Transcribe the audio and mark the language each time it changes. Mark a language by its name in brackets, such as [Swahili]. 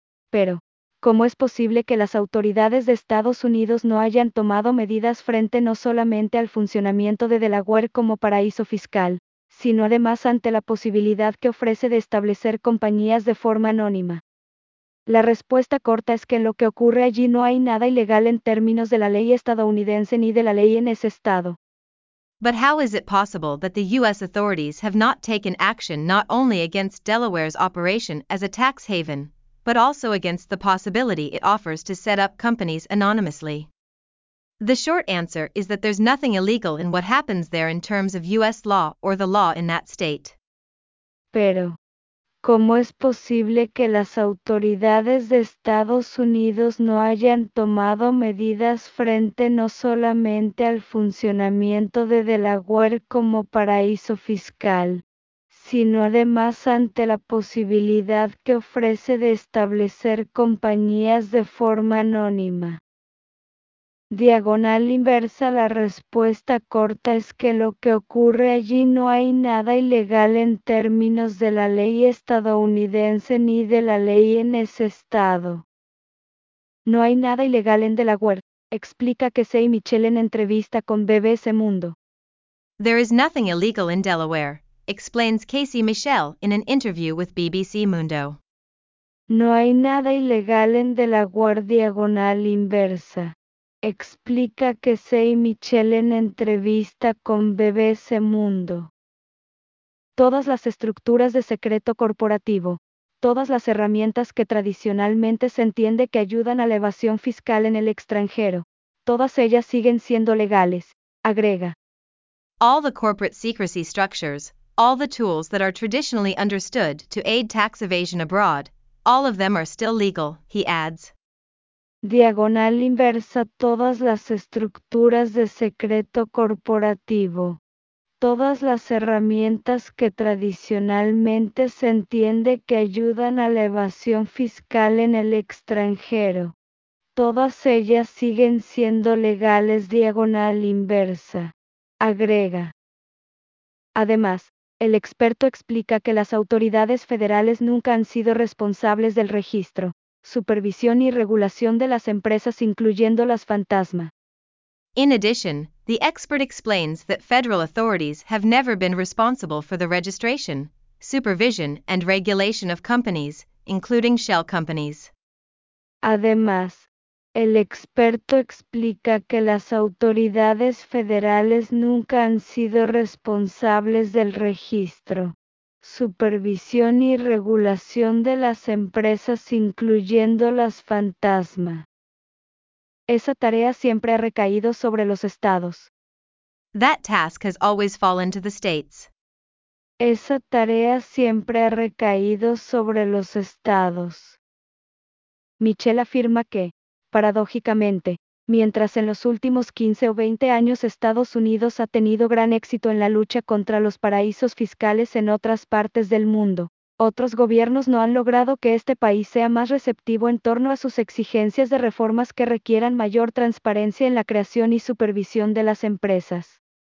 [Spanish] Pero, ¿cómo es posible que las autoridades de Estados Unidos no hayan tomado medidas frente no solamente al funcionamiento de Delaware como paraíso fiscal, sino además ante la posibilidad que ofrece de establecer compañías de forma anónima? La respuesta corta es que en lo que ocurre allí no hay nada ilegal en términos de la ley estadounidense ni de la ley en ese estado. [English] But how is it possible that the U.S. authorities have not taken action not only against Delaware's operation as a tax haven, but also against the possibility it offers to set up companies anonymously? The short answer is that there's nothing illegal in what happens there in terms of U.S. law or the law in that state. [Spanish] Pero, ¿cómo es posible que las autoridades de Estados Unidos no hayan tomado medidas frente no solamente al funcionamiento de Delaware como paraíso fiscal, sino además ante la posibilidad que ofrece de establecer compañías de forma anónima? Diagonal inversa, la respuesta corta es que lo que ocurre allí no hay nada ilegal en términos de la ley estadounidense ni de la ley en ese estado. No hay nada ilegal en Delaware, explica Casey Mitchell en entrevista con BBC Mundo. [English] There is nothing illegal in Delaware, explains Casey Mitchell in an interview with BBC Mundo. [Spanish] No hay nada ilegal en Delaware, diagonal inversa, explica Casey Mitchell en entrevista con BBC Mundo. Todas las estructuras de secreto corporativo, todas las herramientas que tradicionalmente se entiende que ayudan a la evasión fiscal en el extranjero, todas ellas siguen siendo legales, agrega. [English] All the corporate secrecy structures, all the tools that are traditionally understood to aid tax evasion abroad, all of them are still legal, he adds. [Spanish] Diagonal inversa, todas las estructuras de secreto corporativo, todas las herramientas que tradicionalmente se entiende que ayudan a la evasión fiscal en el extranjero. Todas ellas siguen siendo legales diagonal inversa, agrega. Además, el experto explica que las autoridades federales nunca han sido responsables del registro, supervisión y regulación de las empresas, incluyendo las fantasma. [English] In addition, the expert explains that federal authorities have never been responsible for the registration, supervision, and regulation of companies, including shell companies. [Spanish] Además, el experto explica que las autoridades federales nunca han sido responsables del registro, supervisión y regulación de las empresas, incluyendo las fantasma. Esa tarea siempre ha recaído sobre los estados. [English] That task has always fallen to the states. [Spanish] Esa tarea siempre ha recaído sobre los estados. Michelle afirma que, paradójicamente, mientras en los últimos 15 o 20 años Estados Unidos ha tenido gran éxito en la lucha contra los paraísos fiscales en otras partes del mundo, otros gobiernos no han logrado que este país sea más receptivo en torno a sus exigencias de reformas que requieran mayor transparencia en la creación y supervisión de las empresas.